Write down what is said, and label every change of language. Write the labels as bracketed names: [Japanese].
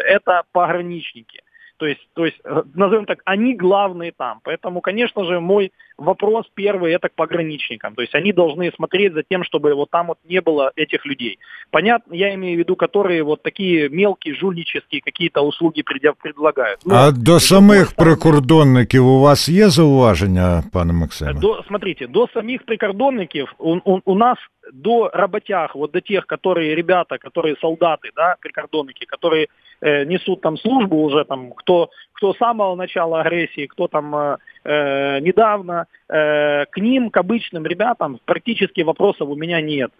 [Russian] Это пограничники. То есть, назовем так, они главные там. Поэтому, конечно же, мой вопрос первый – это к пограничникам. То есть они должны смотреть за тем, чтобы вот там вот не было этих людей. Понятно, я имею в виду, которые вот такие мелкие, жульнические какие-то услуги предлагают. [Ukrainian] Но, а до самих прикордонников у вас есть зауваження, пане Максиме? [Russian] До самих прикордонников у нас до работяг, вот до тех, которые ребята, которые солдаты, да, прикордонники, которые несут там службу уже, там, кто с самого начала агрессии, кто там недавно, к ним, к обычным ребятам, практически вопросов у меня нет.